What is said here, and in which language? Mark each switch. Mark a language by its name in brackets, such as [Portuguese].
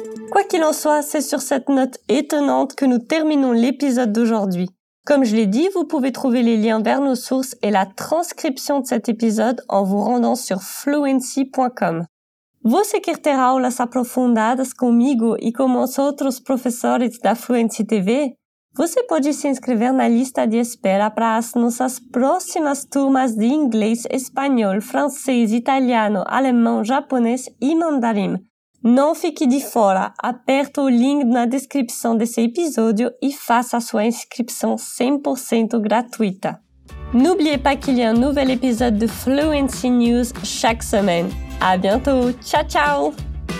[French] Quoi qu'il en soit, c'est sur cette note étonnante que nous terminons l'épisode d'aujourd'hui. Comme je l'ai dit, vous pouvez trouver les liens vers nos sources et la transcription de cet épisode en vous rendant sur fluency.com. [Portuguese] Vou seguir aulas aprofundadas comigo e com os outros professores da Fluency TV? Você pode se inscrever na lista de espera para as nossas próximas turmas de inglês, espanhol, francês, italiano, alemão, japonês e mandarim. Non fique de fora. Aperta o link na descrição desse episódio e faça a sua inscrição 100% gratuita. [French] N'oubliez pas qu'il y a un nouvel épisode de Fluency News chaque semaine. À bientôt. [Italian] Ciao, ciao.